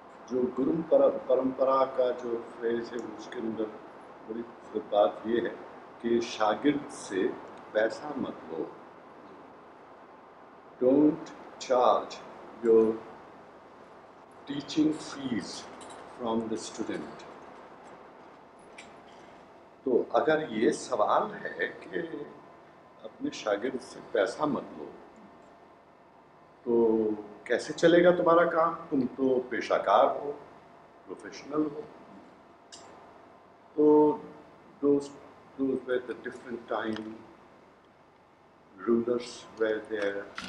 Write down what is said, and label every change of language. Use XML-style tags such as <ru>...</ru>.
<hi>जो गुरु परंपरा का जो फ्रेज है उसके अंदर बड़ी खूबसूरत बात ये है कि शागिर्द से पैसा मत लो।</hi> <en>Don't charge your teaching fees from the student.</en> <hi>तो अगर ये सवाल है कि अपने शागिर्द से पैसा मत लो तो कैसे चलेगा तुम्हारा काम? तुम तो पेशाकार हो, प्रोफेशनल हो।</hi> <en>तो those were the different time rulers were there.</en>